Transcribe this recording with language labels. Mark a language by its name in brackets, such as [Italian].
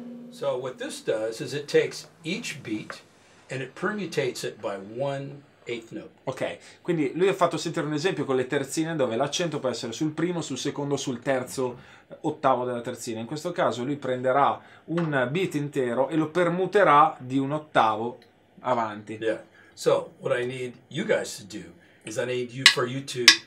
[English] So what this does is it takes each beat and it permutates it by 1/8 note. [Italian] Ok, quindi lui ha fatto sentire un esempio con le terzine dove l'accento può essere sul primo, sul secondo, sul terzo, ottavo della terzina. In questo caso lui prenderà un beat intero e lo permuterà di un ottavo avanti. [English] Yeah. So what I need you guys to do is I need you for you to...